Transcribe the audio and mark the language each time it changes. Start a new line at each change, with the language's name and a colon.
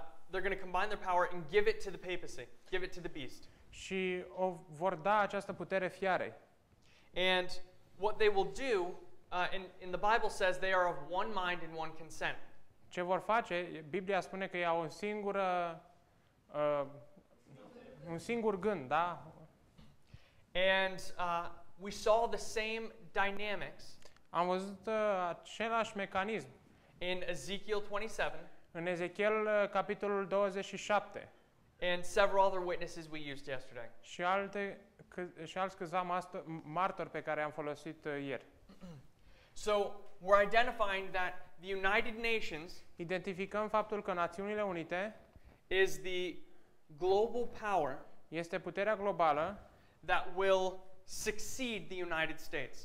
English: They're going to combine their power and give it to the papacy, give it to the beast.
Romanian: Și o vor da această putere fiare.
English: And what they will do, in the Bible says they are of one mind and one consent.
Romanian: Ce vor face? Biblia spune că ei au o singură un singur gând, da?
English: And we saw the same dynamics.
Romanian: Am văzut același mecanism
English: in Ezekiel 27.
Romanian: În Ezekiel capitolul 27.
English: And several other witnesses we used yesterday.
Romanian: Și alte și alți câțiva martori pe care am folosit ieri.
English: So, we're identifying that the United Nations,
Romanian: identificăm faptul că Națiunile Unite
English: is the global power,
Romanian: este puterea globală,
English: that will succeed the United States,